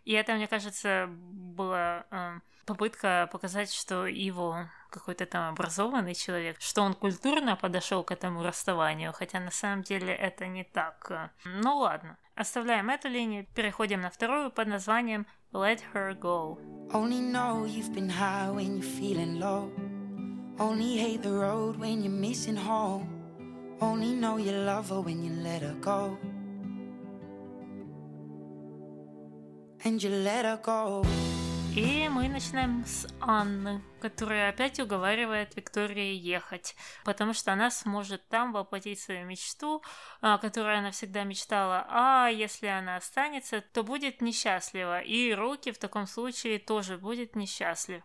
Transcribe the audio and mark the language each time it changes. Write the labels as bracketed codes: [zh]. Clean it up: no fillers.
[ru] И это, мне кажется, была попытка показать, что Иво какой-то там образованный человек, что он культурно подошел к этому расставанию, хотя на самом деле это не так. Ну ладно, оставляем эту линию, переходим на вторую под названием «Let her go». [en] Only know you've been high when you're feeling low. Only hate the road when you're missing home. Only know you love her when you let her go. And you let her go. [ru] И мы начинаем с Анны, которая опять уговаривает Викторию ехать, потому что она сможет там воплотить свою мечту, которую она всегда мечтала, а если она останется, то будет несчастлива, и Рокки в таком случае тоже будет несчастлив.